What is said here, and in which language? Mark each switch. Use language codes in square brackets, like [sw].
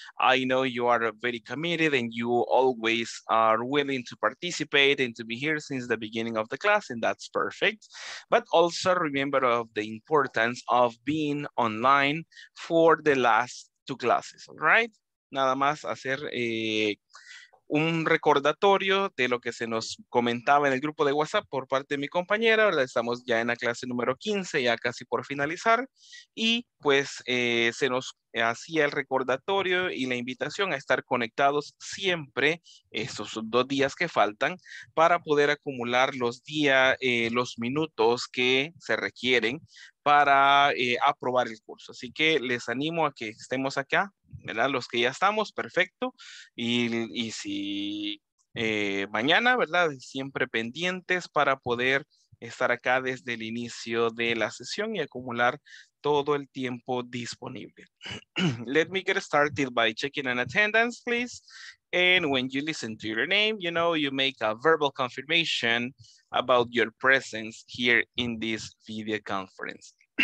[en] I know you are very committed and you always are willing to participate and to be here since the beginning of the class, and that's perfect. But also remember of the importance of being online for the last two classes, all right? [es] Nada más hacer un recordatorio de lo que se nos comentaba en el grupo de WhatsApp por parte de mi compañera, ¿verdad? Estamos ya en la clase número 15, ya casi por finalizar, y pues se nos hacía el recordatorio y la invitación a estar conectados siempre esos dos días que faltan para poder acumular los días, los minutos que se requieren para aprobar el curso. Así que les animo a que estemos acá, ¿verdad? Los que ya estamos, perfecto. Y si mañana, ¿verdad? Siempre pendientes para poder estar acá desde el inicio de la sesión y acumular todo el tiempo disponible. [en] Let me get started by checking an attendance, please. And when you listen to your name, you know, you make a verbal confirmation about your presence here in this video conference.